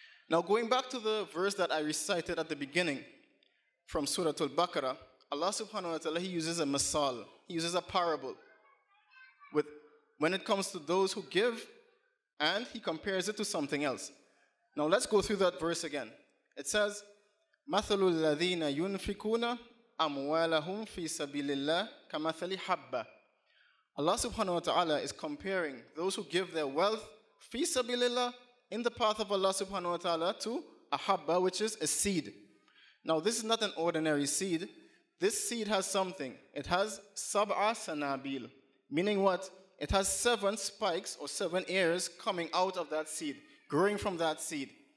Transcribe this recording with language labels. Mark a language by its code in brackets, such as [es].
[en] Now going back to the verse that I recited at the beginning, from Surah Al-Baqarah, Allah subhanahu wa ta'ala, He uses a masal, He uses a parable when it comes to those who give, and He compares it to something else. Now let's go through that verse again. It says, [ar] مَثَلُ الَّذِينَ يُنْفِكُونَ أَمْوَالَهُمْ فِي سَبِيلِ اللَّهِ كَمَثَلِ حَبَّةٍ. [en] Allah subhanahu wa ta'ala is comparing those who give their wealth [ar] فِي سَبِيلِ اللَّهِ, [en] in the path of Allah subhanahu wa ta'ala, to a habba, which is a seed. Now this is not an ordinary seed. This seed has something. It has sab'a sanabil, meaning what? It has seven spikes or seven ears coming out of that seed, growing from that seed.